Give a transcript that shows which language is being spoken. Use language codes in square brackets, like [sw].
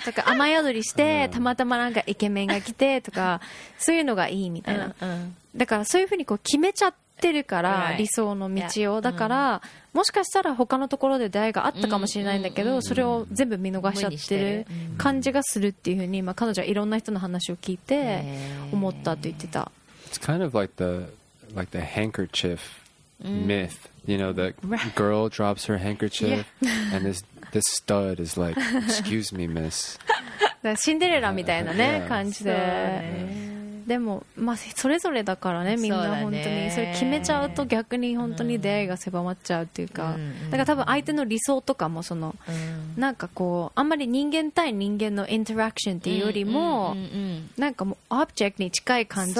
[ja] そうとか雨宿りして、たまたまなんかイケメンが来てとかそういうのがいいみたいな。だからそういうふうにこう決めちゃってるから、理想の道を。だからもしかしたら他のところで出会いがあったかもしれないんだけど、それを全部見逃しちゃってる感じがするっていうふうに、まあ、彼女はいろんな人の話を聞いて思ったと言ってた。 [en] It's kind of like the handkerchief myth, you know, the girl drops her handkerchief and this stud is like, excuse me, miss. [ja] シンデレラみたいなね、感じで。でも、まあ、それぞれだからね、みんな本当に。それ決めちゃうと逆に本当に出会いが狭まっちゃうっていうか。だから多分相手の理想とかもその、なんかこう、あんまり人間対人間のインタラクションっていうよりも、なんかもうオブジェクトに近い感じで。